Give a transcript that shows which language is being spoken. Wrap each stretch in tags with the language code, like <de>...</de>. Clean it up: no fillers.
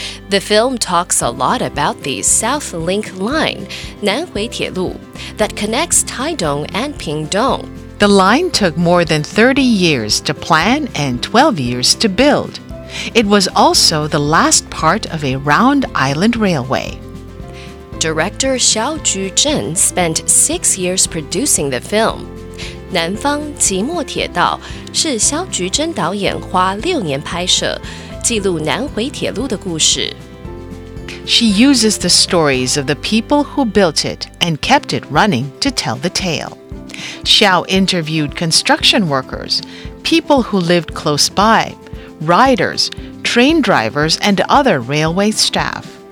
<en>The film talks a lot about the South Link line, 南迴鐵路, that connects Taitung and Pingtung. The line took more than 30 years to plan and 12 years to build. It was also the last part of a round island railway. Director Hsiao Chu-chen spent 6 years producing the film.</en> <zh>南方寂寞铁道是萧菊珍导演花六年拍摄，记录南回铁路的故事。</zh> <en>She uses the stories of the people who built it and kept it running to tell the tale. Xiao interviewed construction workers, people who lived close by, riders, train drivers, and other railway staff.</en>